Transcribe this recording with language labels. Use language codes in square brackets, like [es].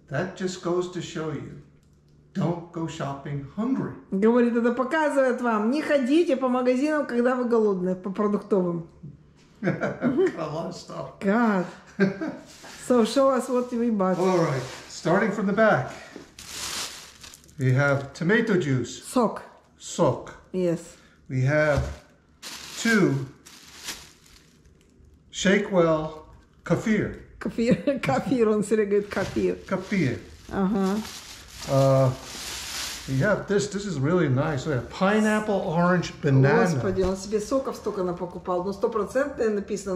[en] That just goes to show you. Don't go shopping hungry. [ru] Говорит, это показывает вам. Не ходите по магазинам, когда вы голодны, по продуктовым. [en] God. So show us what we bought. All right. Starting from the back. We have tomato juice. [ru] Сок. Сок. [en] Yes. We have two Shakewell kefir. [ru] Кефир. Кефир. Он всегда говорит кефир. Кефир. Ага. [en] Yeah, this is really nice. We have pineapple, orange, banana. [ru] Господи, он себе соков столько напокупал. Ну, 100% написано.